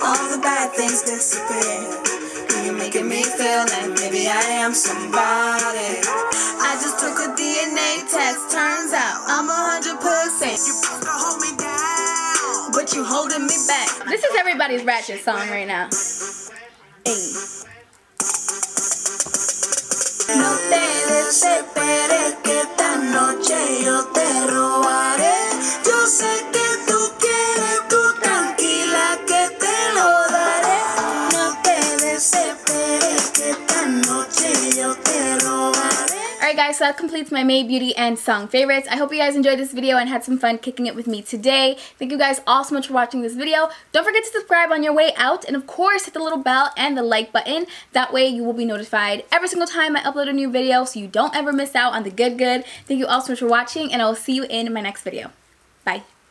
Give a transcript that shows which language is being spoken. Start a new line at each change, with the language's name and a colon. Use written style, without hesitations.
English: All the bad things disappear. You're making me feel like maybe I am somebody. I just took a DNA test. Turns out I'm 100%. You put the homie down, but you holding me back. This is everybody's ratchet song right now. Hey.
Spanish: No te desesperes que esta noche yo te robaré. Yo sé que tú quieres, tú tranquila que te lo daré. No te desesperes que esta noche yo te robaré.
English: Alright guys, so that completes my May Beauty and song favorites. I hope you guys enjoyed this video and had some fun kicking it with me today. Thank you guys all so much for watching this video. Don't forget to subscribe on your way out, and of course, hit the little bell and the like button. That way you will be notified every single time I upload a new video so you don't ever miss out on the good. Thank you all so much for watching, and I will see you in my next video. Bye.